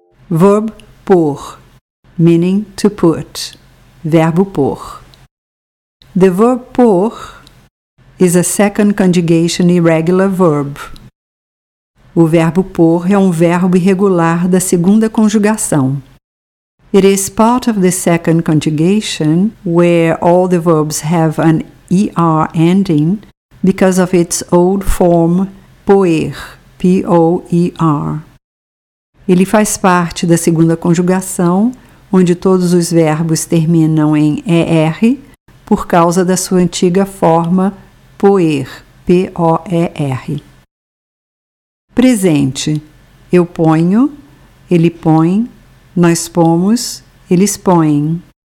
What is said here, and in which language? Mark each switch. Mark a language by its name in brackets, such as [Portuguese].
[English] Verb pour, meaning to put. [Portuguese] Verbo pour. [English] The verb pour is a second conjugation irregular verb. [Portuguese] O verbo pôr é um verbo irregular da segunda conjugação. [English] It is part of the second conjugation where all the verbs have an ER ending because of its old form poer, P-O-E-R. [Portuguese] Ele faz parte da segunda conjugação, onde todos os verbos terminam em ER por causa da sua antiga forma poer, P-O-E-R. Presente. Eu ponho, ele põe, nós pomos, eles põem.